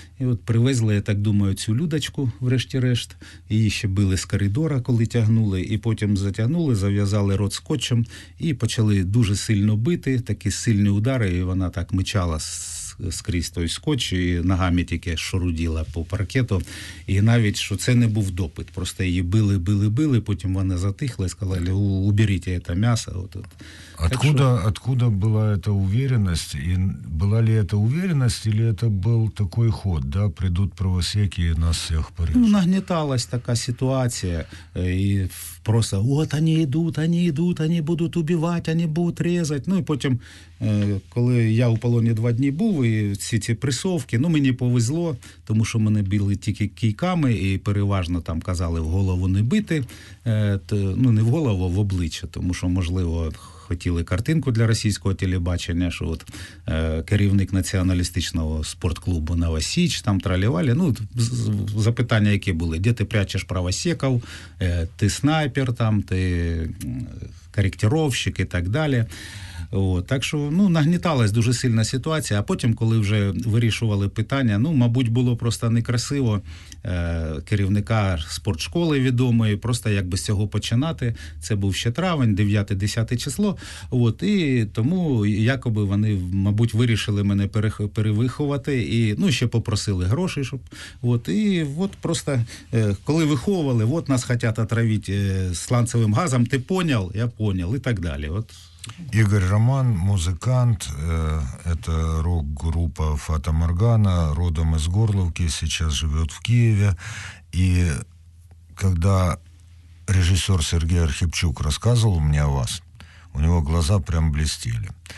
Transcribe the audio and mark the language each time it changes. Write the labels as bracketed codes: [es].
[uk] І от привезли, я так думаю, цю Людочку врешті-решт. Її ще били з коридора, коли тягнули, і потім затягнули, зав'язали рот скотчем, і почали дуже сильно бити, такі сильні удари, і вона так мчала скрізь той скотч, і ногами тільки шоруділа по паркету. І навіть, що це не був допит, просто її били, били, били, потім вона затихла і сказала, уберіть це м'ясо. [ru] Откуда была эта уверенность? И была ли это уверенность, или это был такой ход, да, придут правосеки и нас всех порежут? Ну, нагнеталась такая ситуация, и просто вот они идут, они будут убивать, они будут резать. [uk] Ну, и потом, коли я у полоні два дні був, і всі ці пресовки, ну, мені повезло, тому що мене били тільки кійками, і переважно там казали в голову не бити, то, ну, не в голову, а в обличчя, тому що, можливо, хотіли картинку для російського телебачення, що от керівник націоналістичного спортклубу «Новосіч», там тралівалі, ну, запитання які були, де ти прячеш правосеков, ти снайпер, там, ти коректировщик і так далі. От, так що, ну, нагніталась дуже сильна ситуація, а потім, коли вже вирішували питання, ну, мабуть, було просто некрасиво керівника спортшколи відомої, просто якби з цього починати, це був ще травень, 9-10 число, От, і тому якоби вони, мабуть, вирішили мене перевиховати, і, ну, ще попросили гроші, щоб, от, і от просто, коли виховували, от нас хочуть отравити сланцевим газом, ти поняв, я поняв, і так далі, от. [ru] Игорь Роман, музыкант, это рок-группа Фата Моргана, родом из Горловки, сейчас живет в Киеве. И когда режиссер Сергей Архипчук рассказывал мне о вас, у него глаза прям блестели.